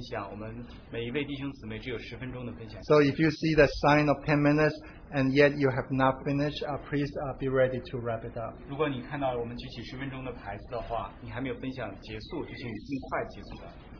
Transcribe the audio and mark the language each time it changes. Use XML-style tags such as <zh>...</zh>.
<zh>为了鼓励更多弟兄姊妹能够分享，我们每一位弟兄姊妹只有10分钟的分享。</zh> <en>So if you see the sign of 10 minutes and yet you have not finished, please be ready to wrap it up.</en> <zh>如果你看到我们举起10分钟的牌子的话，你还没有分享结束，就请尽快结束吧。</zh>